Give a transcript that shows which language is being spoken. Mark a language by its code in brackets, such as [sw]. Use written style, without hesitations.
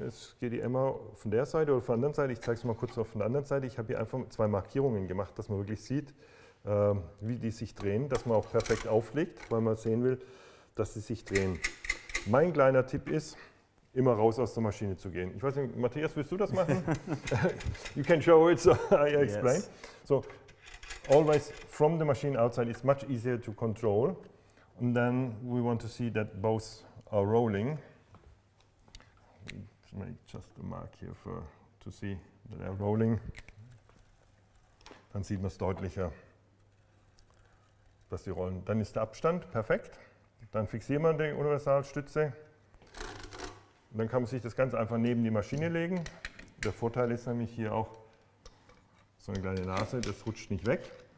[de] Es geht die Emma von der Seite oder von der anderen Seite. Ich zeige es mal kurz auf der anderen Seite. Ich habe hier einfach zwei Markierungen gemacht, dass man wirklich sieht, wie die sich drehen, dass man auch perfekt auflegt, weil man sehen will, dass sie sich drehen. Mein kleiner Tipp ist, immer raus aus der Maschine zu gehen. Ich weiß nicht, Matthias, willst du das machen? [en] You can show it, so I explain. Yes. So, always from the machine outside is much easier to control. And then we want to see that both are rolling. Let's make just a mark here for to see that they're rolling. [de] Dann sieht man es deutlicher, dass die rollen. Dann ist der Abstand perfekt. Dann fixiert man die Universalstütze. Und dann kann man sich das ganz einfach neben die Maschine legen. Der Vorteil ist nämlich hier auch so eine kleine Nase, das rutscht nicht weg.